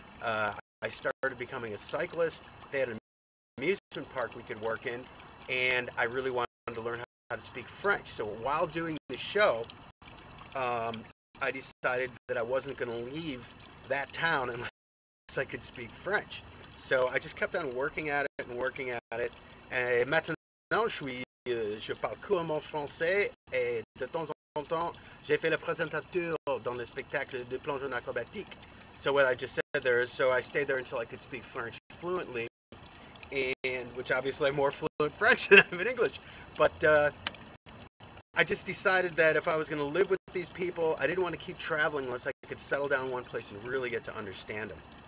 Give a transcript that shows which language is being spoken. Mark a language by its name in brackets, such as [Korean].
[English] I started becoming a cyclist. They had an amusement park we could work in, and I really wanted to learn how to speak French. So while doing the show, I decided that I wasn't going to leave that town unless I could speak French. So I just kept on working at it and working at it. [French] Et maintenant, je parle couramment français, et de temps en temps, j'ai fait le présentateur dans le spectacle de plongeon acrobatique. [English] So what I just said there is, so I stayed there until I could speak French fluently, and which obviously I'm more fluent French than I'm in English. But I just decided that if I was going to live with these people, I didn't want to keep traveling unless I could settle down in one place and really get to understand them.